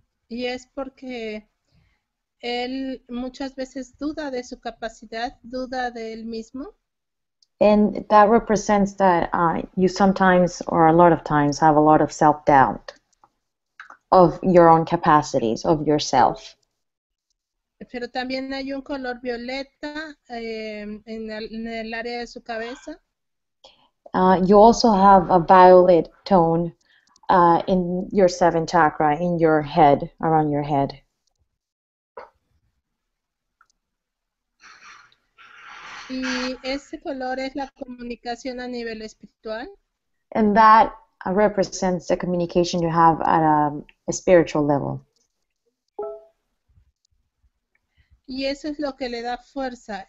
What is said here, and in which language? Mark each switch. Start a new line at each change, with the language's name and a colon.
Spanish: Y es porque él muchas veces duda de su capacidad, duda de él mismo.
English: And that represents that you sometimes, or a lot of times, have a lot of self-doubt of your own capacities, of yourself.
Spanish: Pero también hay un color violeta en el área de su cabeza.
English: You also have a violet tone in your seventh chakra, in your head, around your head.
Spanish: ¿Y ese color es la comunicación a nivel espiritual?
English: And that represents the communication you have at a spiritual level.
Spanish: Y eso es lo que le da fuerza.